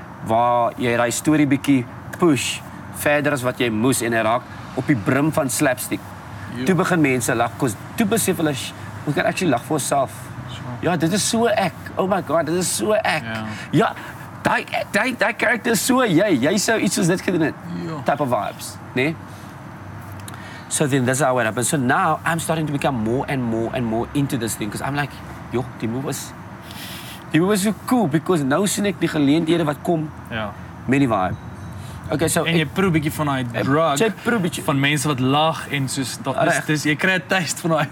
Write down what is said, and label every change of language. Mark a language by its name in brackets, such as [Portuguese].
[Afrikaans] Waar jy die story bietjie push verder as wat jy moes en raak op die brim van slapstick. Yo. Toe begin mense lag, toe besef hulle, [English] we can actually [Afrikaans] lag vir onsself. Ja, dit is so ek. [English] Oh my god, [Afrikaans] dit is so ek. Ja, daai karakter is so jy. Jy sou iets soos dit gedoen het. [English] Type of vibes, né? Nee? So then that's how it happened. So now I'm starting to become more and more and more into this thing because I'm like, yo, [Afrikaans] die move was so cool [English] because [Afrikaans] nou sien ek die geleenthede wat kom. Ja. [English] Many vibe. Okay, so [Afrikaans] en jy proe bietjie van daai drug. Jy proe bietjie van mense wat lag en soos dis jy kry 'n taste van daai.